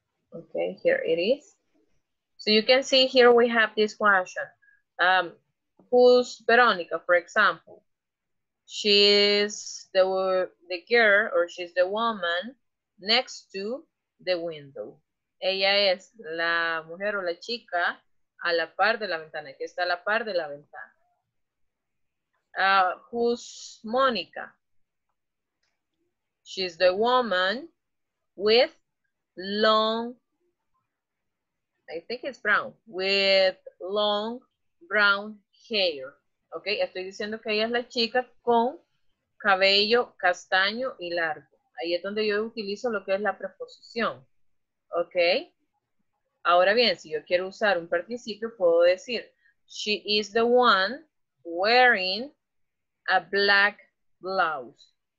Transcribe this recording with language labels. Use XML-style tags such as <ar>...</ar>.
<en>Ok, here it is. So you can see here we have this question. Who's Verónica, for example? She's the girl, or she's the woman next to the window.</en> <es>Ella es la mujer o la chica a la par de la ventana, que está a la par de la ventana.</es> <en>Who's Monica? She's the woman with long, I think it's brown, with long brown hair.</en> <es>Okay, estoy diciendo que ella es la chica con cabello castaño y largo. Ahí es donde yo utilizo lo que es la preposición. Okay, ahora bien, si yo quiero usar un participio, puedo decir,</es> <en>she is the one wearing a black blouse.</en>